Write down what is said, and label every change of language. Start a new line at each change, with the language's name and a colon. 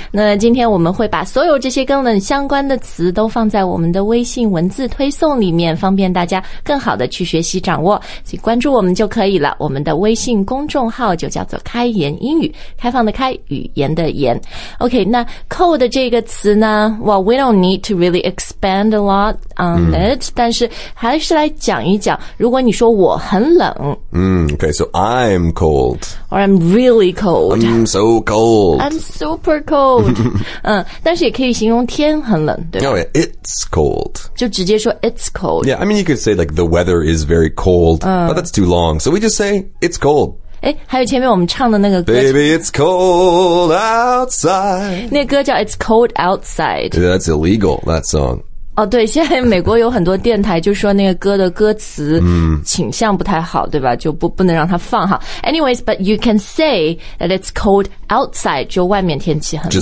Chinese: 那今天我们会把所有这些跟冷相关的词都放在我们的微信文字推送里面方便大家更好的去学习掌握所以关注我们就可以了我们的微信公众号就叫做开言英语开放的开语言的言 OK, 那 cold 这个词呢
English: Well, we don't need to really expand a lot on it
Chinese: 但是还是来讲一讲如果你说我很冷、
English: OK, so I'm cold Or I'mReally cold. I'm so cold. I'm super cold.
Chinese: 但是也可以形容天很冷，对吧？
English: Oh, yeah, it's cold.
Chinese: 就直接说
English: it's cold. Yeah, I mean, you could say like the weather is very cold, but that's too long. So we just say it's cold.
Chinese: 诶，还有前面我们唱的那个歌。
English: Baby, it's cold outside.
Chinese: 那歌叫 It's Cold Outside.
English: Yeah, that's illegal, that song.
Chinese: 哦、对现在美国有很多电台就说那个歌的歌词倾向不太好对吧就 不能让它放好
English: Anyways, but you can say that it's cold outside
Chinese: 就外面天气很冷